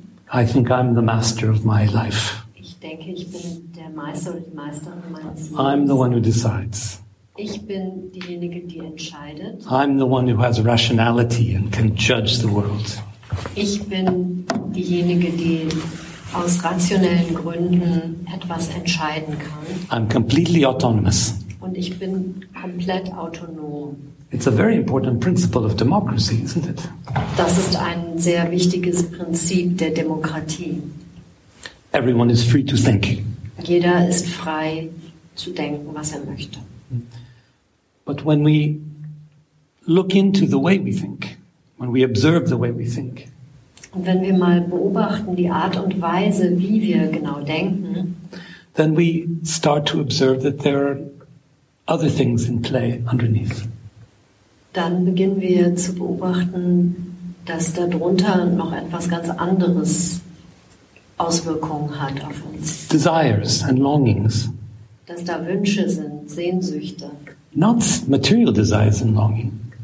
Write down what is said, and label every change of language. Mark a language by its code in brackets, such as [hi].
[en] I think I'm the master of my life. [de] Ich denke, ich bin der Meister oder die Meisterin meines Lebens. [en] I'm the one who decides. [de] Ich bin diejenige, die entscheidet. [en] I'm the one who has rationality and can judge the world. [de] Ich bin diejenige, die aus rationellen Gründen etwas entscheiden kann. [en] I'm completely autonomous. [de] Und ich bin komplett autonom. [en] It's a very important principle of democracy, isn't it? [de] Das ist ein sehr wichtiges Prinzip der Demokratie. [en] Everyone is free to think. [de] Jeder ist frei zu denken, was er möchte. [en] But when we look into the way we think, when we observe the way we think, [de] und wenn wir mal beobachten die Art und Weise, wie wir genau denken, [en] then we start to observe that there are other things in play underneath. [de] Dann beginnen wir zu beobachten, dass darunter noch etwas ganz anderes Auswirkungen hat auf uns. [en] Desires and longings. [de] Dass da Wünsche sind, Sehnsüchte. [en] Not material desires and longing.